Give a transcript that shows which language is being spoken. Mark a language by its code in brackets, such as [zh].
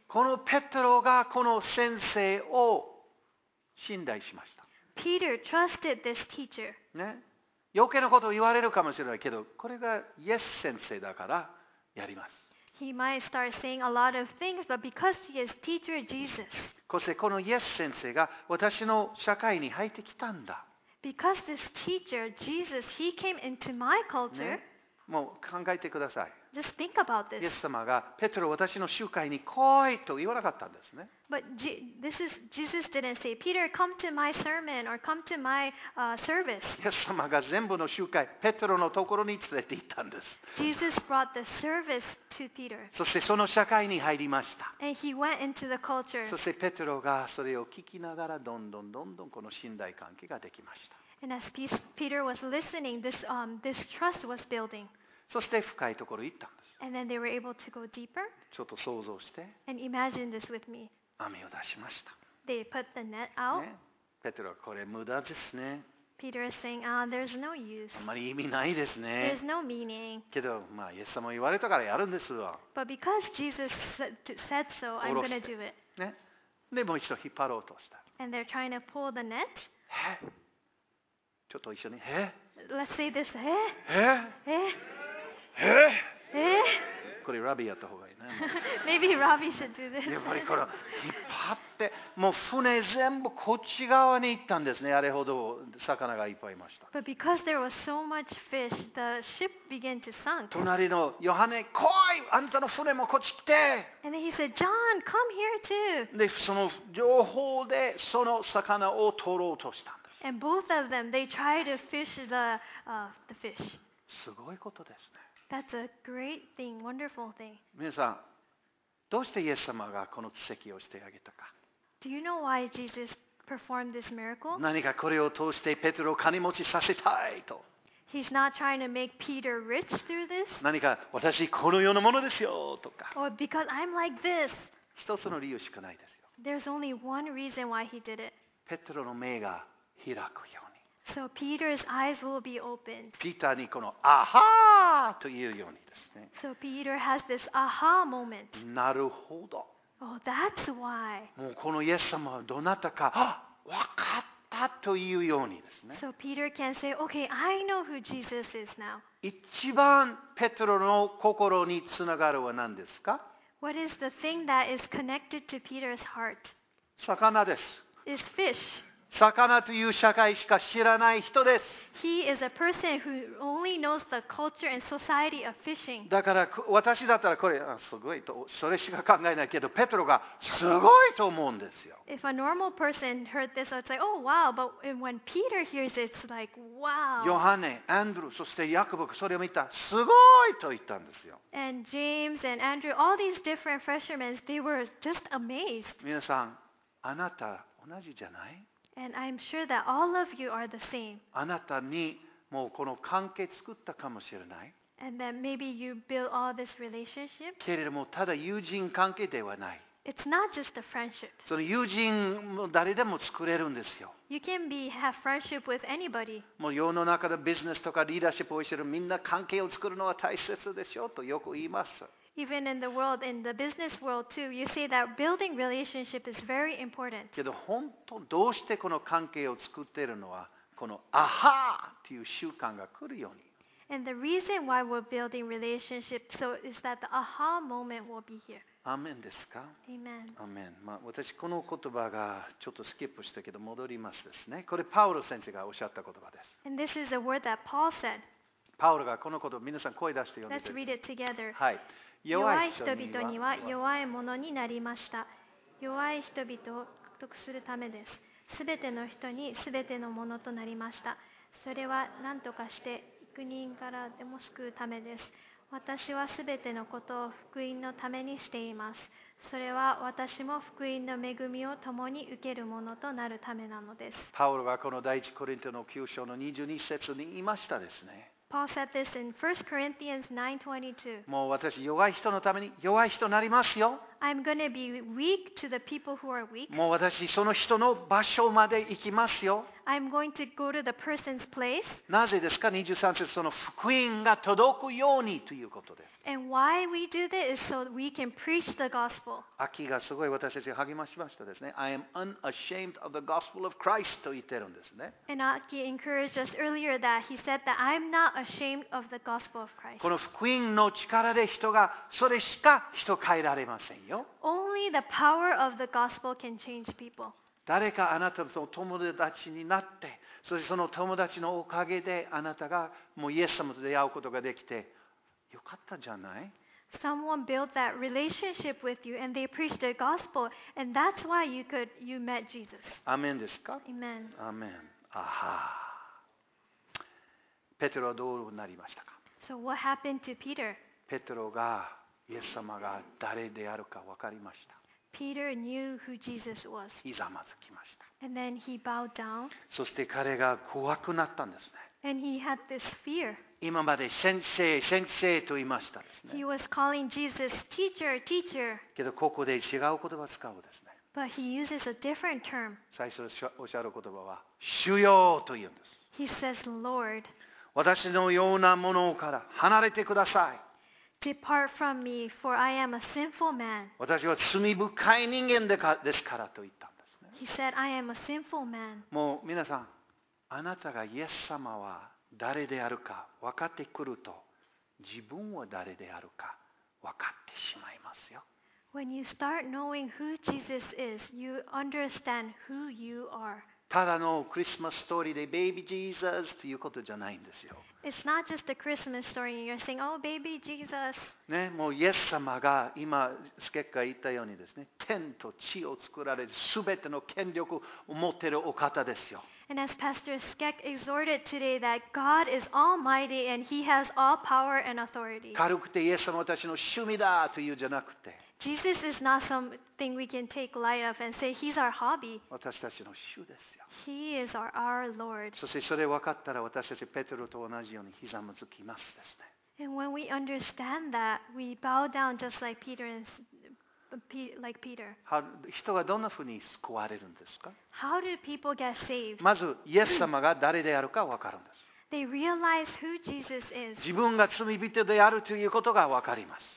[ja] このペトロがこの先生を信頼しました。 [en] Peter trusted this teacher. [ja] ね、余計なことを言われるかもしれないけど、これがイエス先生だからやります。 [en] He might start saying a lot of things, but because he is teacher Jesus. [ja] こうしてこのイエス先生が私の社会に入ってきたんだ。 [en] Because this teacher Jesus, he came into my culture.、ね、 [ja] もう考えてください。 [en] Just think about this. [ja] イエス様がペトロ私の集会に来いと言わなかったんですね。 [en] But Jesus didn't say, Peter, come to my sermon or come to my service. [ja] イエス様が全部の集会ペトロのところに連れて行ったんです。 [en] Jesus brought the service to Peter. [ja] そしてその社会に入りました。 [en] And he went into the culture. [ja] そしてペトロがそれを聞きながらどんどんどんどんこの信頼関係ができました。 [en] And as Peter was listening, this trust was building. [ja] そして深いところに行ったんです。 [en] And then they were able to go deeper. [ja] ちょっと想像して。 [en] And imagine this with me. [ja] 網を出しました。 [en] They put the net out.、 [ja] ね、ペテロはこれ無駄ですね。 [en] Peter is saying, ah, there's no use. [ja] あまり意味ないですね。 [en] There's no meaning. [ja] けど、まあイエス様も言われたからやるんですわ。 [en] But because Jesus said so, I'm gonna do it. [ja] ね。でもう一度引っ張ろうとした。 [en] And they're trying to pull the net. [ja] へ。ちょっと一緒に。へ。 [en] Let's say this. へ。へ。へ。え？ [ja] これラビやった方がいいね。 [en] Maybe Robbie should do this. [ja] やっぱりこれ引っ張って、もう船全部こっち側に行ったんですね。あれほど魚がいっぱいいました。 [en] But because there was so much fish, the ship began to sink. [ja] 隣のヨハネ、来い！あんたの船もこっち来て。 [en] And then he said, John, come here too. [ja] で、その両方でその魚を取ろうとしたんです。 [en] And both of them, they tried to fish the fish. [ja] すごいことですね。 [en] That's a great thing, wonderful thing. [ja] 皆さん、どうしてイエス様がこの奇跡をしてあげたか。 [en] Do you know why Jesus performed this miracle? [ja] 何かこれを通してペテロを金持ちさせたいと。 [en] He's not trying to make Peter rich through this. [ja] 何か私このようなものですよとか。 [en] Or because I'm like this. [ja] 一つの理由しかないですよ。 [en] There's only one reason why he did it. [ja] ペテロの目が開くように。 [en] So Peter's eyes will be opened. [ja] ピーターにこのアハーというようにですね。 [en] So Peter has this aha moment. [ja] なるほど。 [en] Oh, that's why. [ja] もうこのイエス様はどなたか、わかったというようにですね。 [en] So Peter can say, okay, I know who Jesus is now. [ja] 一番ペトロの心につながるは何ですか？ [en] What is the thing that is connected to Peter's heart? [ja] 魚です。 [en] Is fish. [ja] 魚という社会しか知らない人です。 [en] He is a person who only knows the culture and society of fishing. [ja] だから私だったらこれすごいとそれしか考えないけど、ペトロがすごいと思うんですよ。 [en] If a normal person heard this, it's like, oh wow. But when Peter hears it, it's like, wow. [ja] ヨハネ、アンドル、そしてヤコブ、それを見た、すごいと言ったんですよ。 [en] And James and Andrew, all these different fishermen, they were just amazed. [ja] 皆さん、あなた同じじゃない？ [en] And I'm sure that all of you are the same. [ja] あなたにもうこの関係作ったかもしれない。 [en] And then maybe you build all this relationship. [ja] けれどもただ友人関係ではない。 [en] It's not just a friendship. [ja] その友人も誰でも作れるんですよ。 [en] You can have friendship with anybody. [ja] もう世の中のビジネスとかリーダーシップをしているみんな関係を作るのは大切でしょうとよく言います。 [en] Even in the world, in the business world too, you say that building relationship is very important. [ja] けど本当どうしてこの関係を作っているのはこのアハーという習慣が来るように。 [en] And the reason why we're building relationship so is that the aha moment will be here. [ja] アメンですか？ [en] Amen. Amen. [ja] まあ私この言葉がちょっとスキップしたけど戻りますですね。これパウロ先生がおっしゃった言葉です。 [en] And this is a word that Paul said. [ja] パウロがこのことを皆さん声出して読んでください。 [en] Let's read it together. [ja] はい。弱い人々には弱いものになりました。弱い人々を得するためです。すべての人にすべてのものとなりました。それは何とかして幾人からでも救うためです。私はすべてのことを福音のためにしています。それは私も福音の恵みを共に受けるものとなるためなのです。パウロはこの第一コリントの9章の22節に言いましたですね。 [en] Paul said this in 1 Corinthians 9:22. [ja] もう私弱い人のために弱い人になりますよ。 [en] I'm going to be weak to the people who are weak. [ja] もう私その人の場所まで行きますよ。 [en] I'm going to go to the person's place. [ja] なぜですか？ 23節その福音が届くようにということです。 [en] And why we do this is so we can preach the gospel. [ja] 秋がすごい私たち励ましましたですね。 [en] I am unashamed of the gospel of Christ [ja] と言ってるんですね。 [en] And Aki encouraged us earlier that he said that I'm not ashamed of the gospel of Christ. [ja] この福音の力で人がそれしか人変えられませんよ。 [en] Only the power of the gospel can change people. [ja] 誰かあなたの友達になって、そしてその友達のおかげであなたがもうイエス様と出会うことができて、よかったじゃない？ [en] Someone built that relationship with you and they preached the gospel and that's why you met Jesus. [ja] アメンですか？ [en] Amen. Amen. Aha. [ja] ペテロはどうなりましたか？ [en] So what happened to Peter? [ja] ペテロがイエス様が誰であるか分かりました。 [en] Peter knew who Jesus was. [ja] ひざまずきました。 [en] And then he bowed down. [ja] そして彼が怖くなったんですね。 [en] And he had this fear. [ja] 今まで先生、先生と言いましたですね。 [en] He was calling Jesus teacher, teacher. [ja] けどここで違う言葉を使うですね。 [en] But he uses a different term. [ja] 最初おっしゃる言葉は主よと言うんです。 [en] He says, Lord. [ja] 私のようなものから離れてください。 [en] Depart from me, for I am a sinful man. [ja] 私は罪深い人間ですからと言ったんですね。 [en] He said, I am a sinful man. [ja] もう皆さん、あなたがイエス様は誰であるか分かってくると、自分は誰であるか分かってしまいますよ。 [en] When you start knowing who Jesus is, you understand who you are. [ja] ただのクリスマスストーリーでベイビージーザスということじゃないんですよ。 [en] It's not just a Christmas story. You're saying, oh, baby Jesus. [ja] ね、もうイエス様が今スケッカ言ったようにですね、天と地を作られる全ての権力を持っているお方ですよ。 [en] And as Pastor Skek exhorted today that God is Almighty and He has all power and authority. [ja] 軽くてイエス様は私の趣味だというじゃなくて。 [en] Jesus is not something we can take light of and say he's our hobby. [ja] 私たちの主ですよ。 [en] He is our Lord. [ja] そしてそれ分かったら私たちペテロと同じようにひざまずきますですね。 [en] And when we understand that, we bow down just like Peter and like Peter. [ja] 人がどんなふうに救われるんですか？ [en] How do people get saved? [ja] まずイエス様が誰であるか分かるんです。 [en] They realize who Jesus is. [ja] 自分が罪人であるということが分かります。